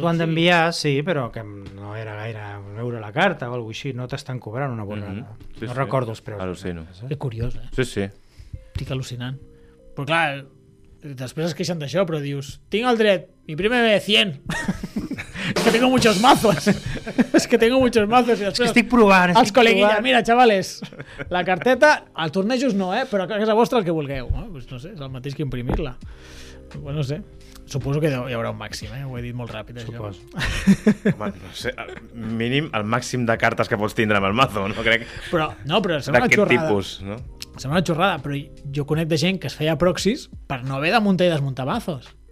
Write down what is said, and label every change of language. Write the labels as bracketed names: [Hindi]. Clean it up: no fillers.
[Catalan] T'ho han d'enviar, sí, però que no era gaire un euro la carta o alguna cosa així. No t'estan cobrant una bona... Sí, no recordo els preus. Al·lucino. Que curiós, eh? Sí, sí. Estic al·lucinant. Però clar, després es queixen d'això, però dius, tinc el dret, [Spanish] mi primer 100. tengo muchos mazos. Es que tengo muchos mazos. Es que estoy probando. [Catalan] Els coleguilla, mira, chavales. La carteta, al tornejos no, pero a casa vostra el que vulgueu. Pues no sé, es el mateix que imprimirla. Bueno, no sé. Suposo que hi haurà un màxim, ho he dit molt ràpid. Suposo. Home, no sé, el mínim, el màxim de cartes que pots tindre amb el mazo, no crec. Però, no, però sembla una xorrada. D'aquest tipus, no? Sembla una xorrada, però jo conec de gent que es feia proxis per no haver de muntar i desmuntar mazos.